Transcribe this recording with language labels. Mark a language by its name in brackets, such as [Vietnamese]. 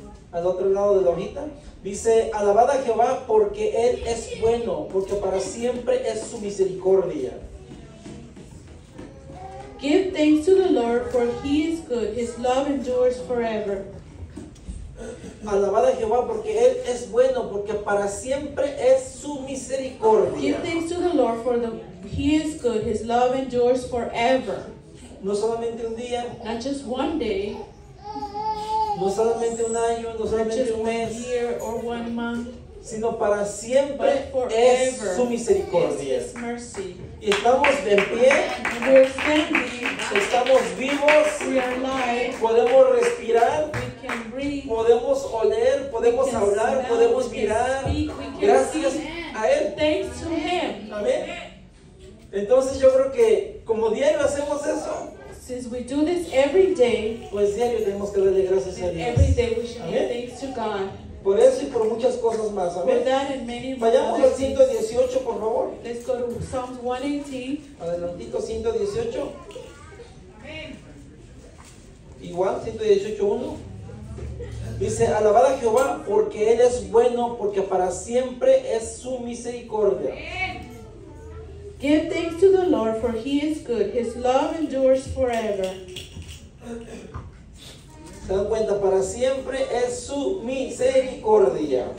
[Spanish] Al otro lado de la hojita dice: Alabad a Jehová porque Él es bueno, porque para siempre es su misericordia. [English] Give thanks to the Lord, for He is good, His love endures forever. [Spanish] Alabad a Jehová porque Él es bueno, porque para siempre es su misericordia. [English] Give thanks to the Lord, for the, He is good, His love endures forever. [Spanish] No solamente un día. [English] Not just one day. [Spanish] No solamente un año, no solamente un mes, [English] year or one month, [Spanish] sino para siempre [English] forever, [Spanish] es su misericordia. [English] Is His mercy. [Spanish] Y estamos de pie, [English] standing, [Spanish] estamos vivos, [English] we are alive, [Spanish] podemos respirar, [English] we can breathe, [Spanish] podemos oler, podemos hablar, [English] smell, [Spanish] podemos mirar, gracias a Él. [English] Thanks to Him. [Spanish] Amén. Entonces yo creo que como diario hacemos eso, [English] since we do this every day, [Spanish] pues diario tenemos que darle gracias a Dios. [English] Every day we should give thanks to God. [Spanish] Por eso y por muchas cosas más. [English] For that and many more. [Spanish] Vayamos al 118, por favor. [English] Let's go to Psalms 118. [Spanish] Adelantito 118. Amen. Igual 118:1. Dice: Alabad a Jehová porque Él es bueno, porque para siempre es su misericordia. [English] Give thanks to the Lord, for He is good. His love endures forever. [Spanish] Se dan cuenta, para siempre es su misericordia.